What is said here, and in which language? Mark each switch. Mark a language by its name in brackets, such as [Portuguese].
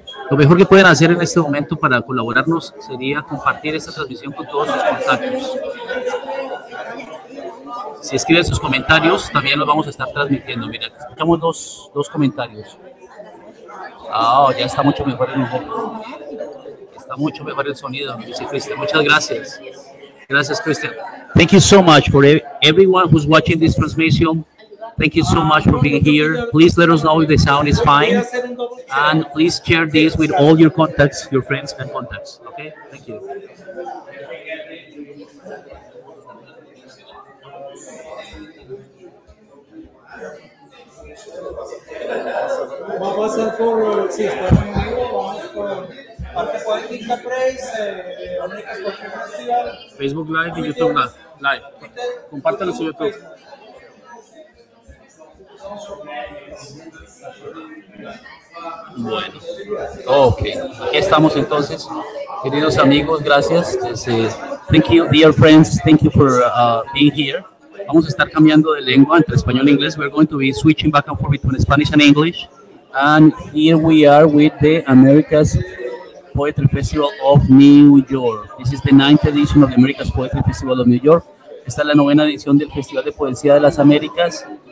[Spanish] Lo mejor que pueden hacer en este momento para colaborarnos sería compartir esta transmisión con todos sus contactos. Si escriben sus comentarios, también los vamos a estar transmitiendo. Mira, escuchamos dos comentarios. Ah, oh, ya está mucho mejor el sonido. Está mucho mejor el sonido, me dice Cristian. Muchas gracias. Gracias, Cristian. [English] Thank you so much for everyone who's watching this transmission. Thank you so much for being here. Please let us know if the sound is fine. And please share this with all your contacts, your friends and contacts. Okay? Thank you. [Spanish] Va a pasar por si están en vivo, vamos por parte cual quinta praise, América Social, Facebook Live Twitter, y YouTube Live. Twitter, compártelo su YouTube. Bueno, ok, aquí estamos entonces, queridos amigos, gracias. [English] Thank you, dear friends, thank you for being here. [Spanish] Vamos a estar cambiando de lengua entre español e inglés. [English] We're going to be switching back and forth between Spanish and English. And here we are with the America's Poetry Festival of New York. This is the 9th edition of the America's Poetry Festival of New York. [Spanish] Esta es la 9ª edición del Festival de Poesía de las Américas.